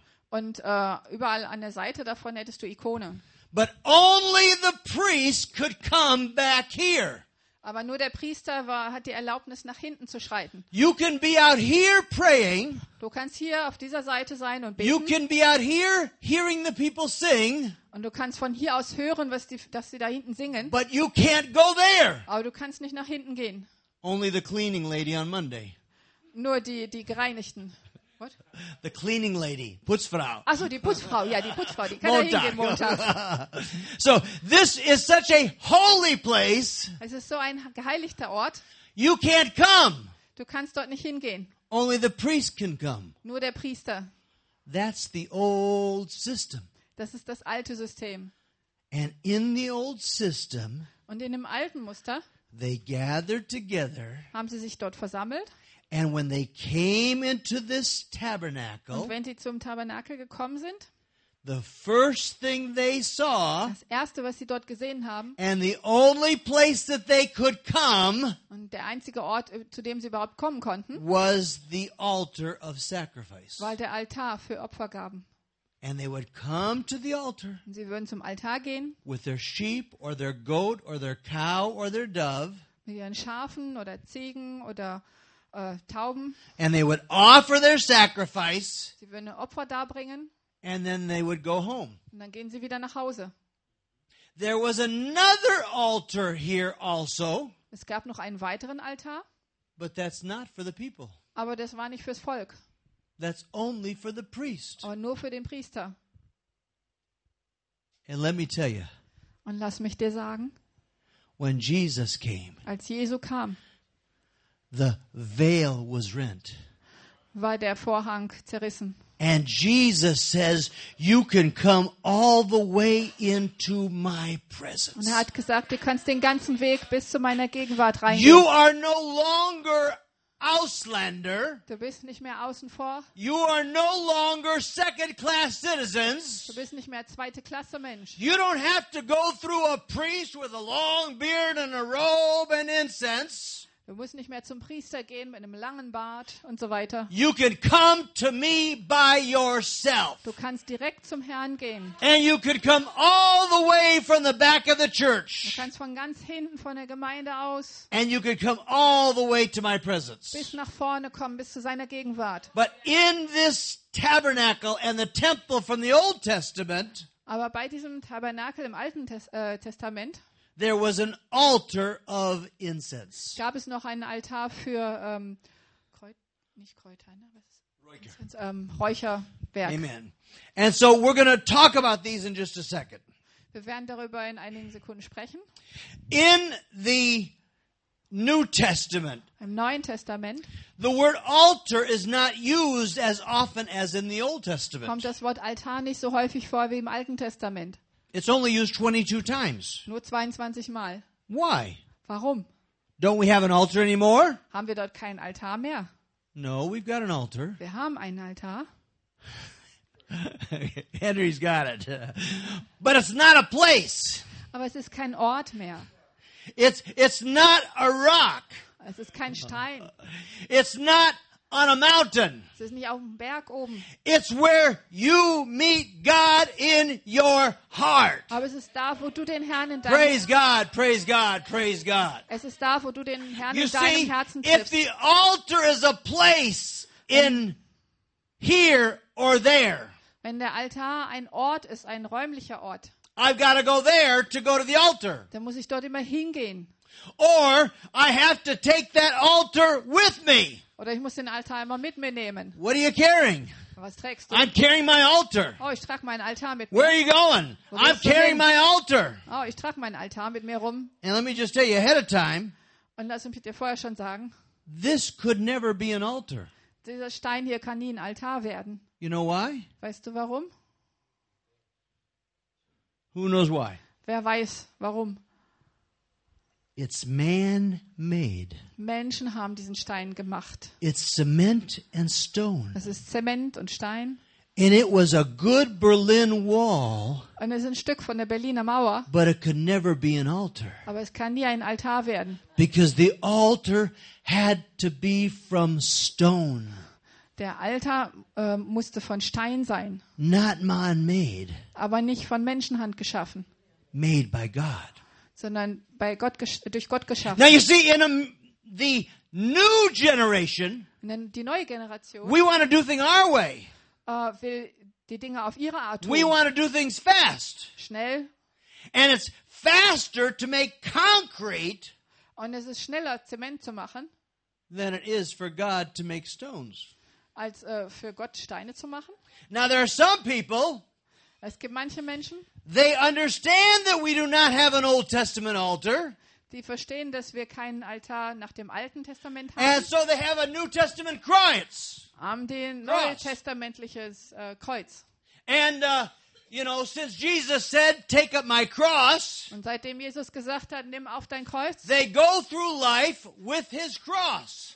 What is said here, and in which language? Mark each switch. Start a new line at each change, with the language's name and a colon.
German: Und überall an der Seite davon hättest du Ikone.
English: But only the priest could come back here.
German: Aber nur der Priester hat die Erlaubnis, nach hinten zu schreiten.
English: You can be out here praying.
German: Du kannst hier auf dieser Seite sein und beten.
English: You can be out here hearing the people sing.
German: Und du kannst von hier aus hören, dass sie da hinten singen.
English: But you can't go there.
German: Aber du kannst nicht nach hinten gehen.
English: Only the cleaning lady on Monday.
German: Nur die Gereinigten.
English: What? The cleaning lady, Putzfrau.
German: Also die Putzfrau, ja, die Putzfrau, die kann da hingehen Montag.
English: So this is such a holy place.
German: Es ist so ein geheiligter Ort.
English: You can't come.
German: Du kannst dort nicht hingehen.
English: Only the priest can come.
German: Nur der Priester.
English: That's the old system.
German: Das ist das alte System.
English: And in the old system.
German: Und in dem alten Muster.
English: They gathered together.
German: Haben sie sich dort versammelt?
English: And when they came into this tabernacle,
German: und wenn sie zum Tabernakel gekommen sind,
English: the first thing they saw,
German: das erste, was sie dort gesehen haben,
English: and the only place that they could come,
German: und der einzige Ort, zu dem sie überhaupt kommen konnten,
English: was the altar of sacrifice,
German: war der Altar für Opfergaben.
English: And they would come to the altar,
German: und sie würden zum Altar gehen,
English: with their sheep or their goat or their cow or their dove,
German: mit ihren Schafen oder Ziegen oder Tauben.
English: And they would offer their sacrifice.
German: Sie würden ein Opfer darbringen.
English: And then they would go home.
German: Und dann gehen sie wieder nach Hause.
English: There was another altar here also.
German: Es gab noch einen weiteren Altar.
English: But that's not for the people.
German: Aber das war nicht fürs Volk.
English: That's only for the priest.
German: Aber nur für den Priester.
English: And let me tell you.
German: Und lass mich dir sagen.
English: When Jesus came.
German: Als Jesus kam.
English: The veil was rent.
German: War der Vorhang zerrissen.
English: And Jesus says, you can come all the way into my presence.
German: Und hat gesagt, du kannst den ganzen Weg bis zu meiner Gegenwart reingehen.
English: You are no longer Ausländer.
German: Du bist nicht mehr außen vor.
English: You are no longer second class citizens.
German: Du bist nicht mehr zweite Klasse Mensch.
English: You don't have to go through a priest with a long beard and a robe and incense.
German: Du musst nicht mehr zum Priester gehen mit einem langen Bart und so weiter.
English: You can come to me by yourself.
German: Du kannst direkt zum Herrn gehen.
English: And you can come all the way from the back of the church.
German: Du kannst von ganz hinten von der Gemeinde aus.
English: And you can come all the way to my presence.
German: Bis nach vorne kommen, bis zu seiner Gegenwart.
English: But in this tabernacle and the temple from the Old Testament.
German: Aber bei diesem Tabernakel im Alten Testament.
English: There was an altar of incense.
German: Gab es noch einen Altar für Räucherwerk?
English: Amen. And so we're going to talk about these in just a second.
German: Wir werden darüber in einigen Sekunden sprechen.
English: In the New Testament.
German: Im Neuen Testament.
English: The word altar is not used as often as in the Old Testament.
German: Kommt das Wort Altar nicht so häufig vor wie im Alten Testament?
English: It's only used 22 times.
German: Nur 22 Mal.
English: Why?
German: Warum?
English: Don't we have an altar anymore?
German: Haben wir dort keinen Altar mehr?
English: No, we've got an altar.
German: Wir haben einen Altar.
English: Henry's got it. But it's not a place.
German: Aber es ist kein Ort mehr.
English: It's not a rock.
German: Es ist kein Stein.
English: It's not on a mountain.
German: Es ist nicht auf dem Berg oben.
English: It's where you meet God in your heart.
German: Aber es ist da, wo du den Herrn in deinem
English: Praise God, praise God, praise God.
German: Es ist da, wo du den Herrn
English: you
German: in deinem
English: see,
German: Herzen triffst.
English: If the altar is a place in here or there.
German: Wenn der Altar ein Ort ist, ein räumlicher Ort.
English: I've got to go there to go to the altar.
German: Dann muss ich dort immer hingehen.
English: Or I have to take that altar with me.
German: Oder ich muss den Altar immer mit mir nehmen.
English: What are you carrying?
German: Was trägst du?
English: I'm carrying my altar.
German: Oh, ich trage meinen Altar mit mir.
English: Where are you going? I'm carrying my altar.
German: Oh, ich trage meinen Altar mit mir rum.
English: And let me just tell you ahead of time.
German: Und lass mich dir vorher schon sagen,
English: this could never be an altar.
German: Dieser Stein hier kann nie ein Altar werden.
English: You know why?
German: Weißt du warum?
English: Who knows why?
German: Wer weiß warum?
English: It's man-made.
German: Menschen haben diesen Stein gemacht.
English: It's cement and stone.
German: Es ist Zement und Stein.
English: And it was a good Berlin wall.
German: Und es ist ein Stück von der Berliner Mauer.
English: But it could never be an altar.
German: Aber es kann nie ein Altar werden.
English: Because the altar had to be from stone.
German: Der Altar musste von Stein sein.
English: Not man-made.
German: Aber nicht von Menschenhand geschaffen.
English: Made by God.
German: Sondern bei Gott durch Gott geschaffen.
English: Now you see in the new generation.
German: Die neue Generation.
English: We want to do things our way.
German: Will die Dinge auf ihre Art tun.
English: We want to do things fast.
German: Schnell.
English: And it's faster to make concrete.
German: Und es ist schneller Zement zu machen.
English: Than it is for God to make stones.
German: Als für Gott Steine zu machen.
English: Now there are some people.
German: Es gibt manche Menschen.
English: They understand that we do not have an Old Testament altar.
German: Die verstehen, dass wir keinen Altar nach dem Alten Testament haben.
English: And so they have a New Testament cross.
German: Haben den neutestamentliches Kreuz.
English: And you know, since Jesus said, "Take up my cross."
German: Und seitdem Jesus gesagt hat, nimm auf dein Kreuz.
English: They go through life with his cross.